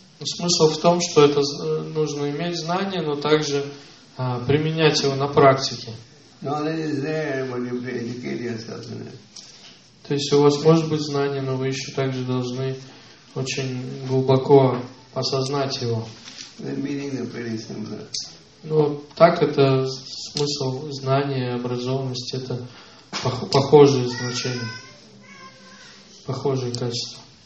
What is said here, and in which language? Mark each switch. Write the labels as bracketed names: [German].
[Russian] Смысл в том, что это нужно иметь знание, но также применять его на практике. [English] Knowledge is there, but you have to educate yourself in it. [Russian] То есть у вас может быть знание, но вы еще также должны очень глубоко осознать его. [English] The meaning is pretty similar. [Russian] Ну, так это смысл знания, образованности, это похожие значения, похожие качества.